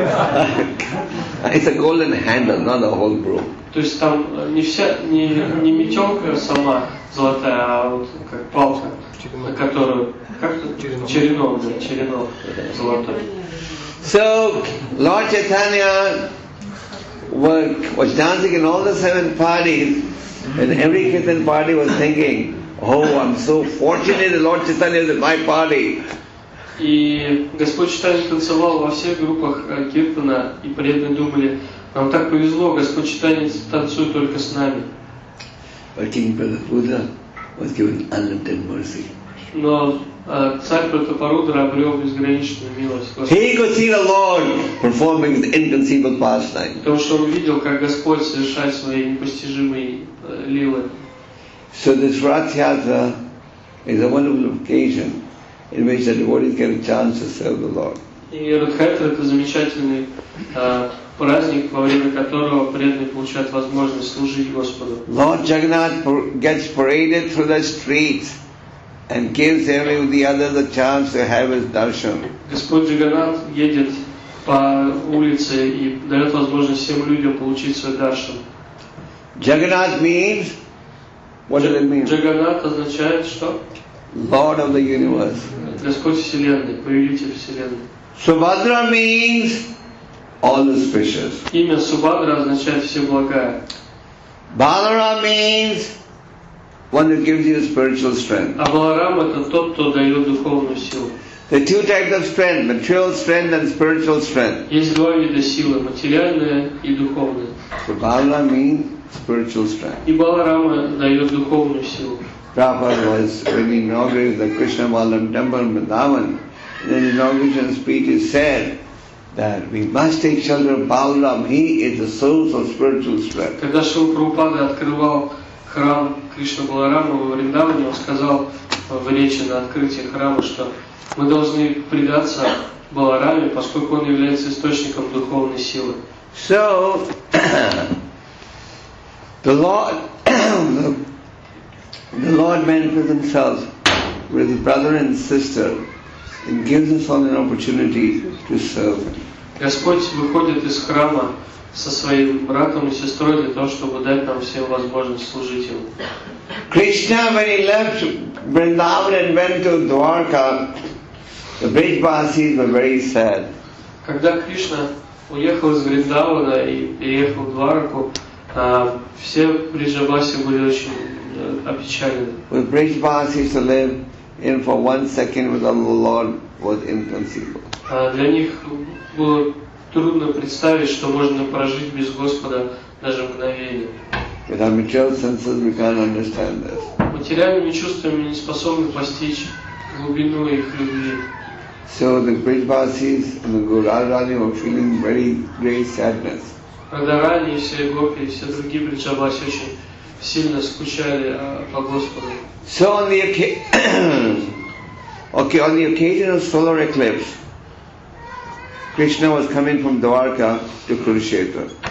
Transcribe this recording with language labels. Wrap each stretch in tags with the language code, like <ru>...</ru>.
<en>It's a golden handle, not a whole broom.</en> <ru>То есть там не вся, не метелка сама золотая, а вот как палка, на которую черенок золотой.</ru> <en>So Lord Chaitanya was dancing in all the 7 parties, and every kirtan party was thinking, "Oh, I'm so fortunate that Lord Chaitanya is in my party."</en> <ru>И Господь Читания танцевал во всех группах киртана, и преданные думали, нам так повезло, Господь Читания танцует только с нами.</ru> <en>But King Pratapuda was given unlimited mercy.</en> <ru>Но Царь Пратапарудра обрел безграничную милость.</ru> <en>He could see the Lord performing the inconceivable pastime.</en> <ru>Потому что он видел, как Господь совершает свои непостижимые лилы.</ru> <en>So this Rath Yatra is a wonderful occasion in which the devotees get a chance to serve the Lord.</en> <ru>И Радхатра — это замечательный праздник, во время которого преданные получают возможность служить Господу.</ru> <en>Lord Jagannath gets paraded through the streets and gives every the other the chance to have his darshan.</en> <ru>Господь Джаганнат едет по улице и дает возможность всем людям получить свой даршан.</ru> <en>Jagannath means, what does it mean?</en> <ru>Джаганнат означает что?</ru> <en>Lord of the universe.</en> <ru>Господь Вселенной, повелитель Вселенной.</ru> <en>Subhadra means all auspicious.</en> <ru>Имя Субхадра означает все благое.</ru> <en>Balaram means one who gives you spiritual strength.</en> <ru>А Баларам — это тот, кто дает духовную силу.</ru> <en>The two types of strength, material strength and spiritual strength.</en> <ru>Есть два вида силы, материальная и духовная.</ru> <en>So Balaram means spiritual strength.</en> <ru>И Баларам дает духовную силу.</ru> <en>Prabhupada was when he inaugurated the Krishna Balaram Temple in Vrindavan. In the inauguration speech, it said that we must take shelter of Balaram. He is the source of spiritual strength.</en> <ru>Когда Шрила Прабхупада открывал храм Кришна Баларама во Вриндаване, он сказал в речи на открытии храма, что мы должны предаться Балараме, поскольку он является источником духовной силы.</ru> <en>So the Lord, the Lord manifests himself with his brother and sister. It gives us all an opportunity to serve.</en> <ru>Господь выходит из храма со своим братом и сестрой для того, чтобы дать нам всем возможность служить ему.</ru> <en>Krishna, when he left Vrindavan and went to Dwarka, the Brijvasis were very sad.</en> <ru>Когда Кришна уехал из Вриндавана и переехал в Двараку, все Брижабаси были очень опечалены.</ru> <en>With Brijvasis to live in for one second without the Lord was inconceivable.</en> <ru>Для них было трудно представить, что можно прожить без Господа даже мгновение.</ru> <en>With our material senses, we can't understand this.</en> <ru>Материальными чувствами не способны постичь глубину их любви.</ru> <en>So the Brijvasis and the Gurarani were feeling very great sadness.</en> <ru>Радхарани, все гопи, все другие Бриджабаси очень сильно скучали по Господу.</ru> <en>So on the okay, on the occasion of solar eclipse, Krishna was coming from Dwarka to Kurukshetra.</en>